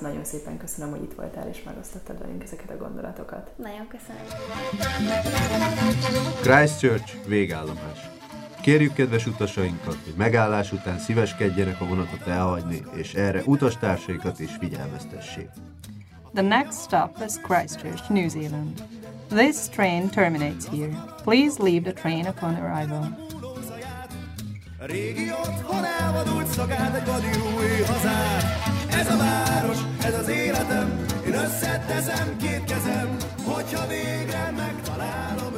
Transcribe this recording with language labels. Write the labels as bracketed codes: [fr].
[hu] Nagyon szépen köszönöm, hogy itt voltál, és megosztottad velünk ezeket a gondolatokat. Nagyon köszönöm. Christchurch végállomás. Kérjük kedves utasainkat, hogy megállás után szíveskedjenek a vonatot elhagyni, és erre utastársaikat is figyelmeztessék. [en] The next stop is Christchurch, New Zealand. This train terminates here. Please leave the train upon arrival. [hu] Régi otthon elvadult szakát, egy vadi új hazát. Ez a város, ez az életem, én összeteszem két kezem, hogyha végre megtalál.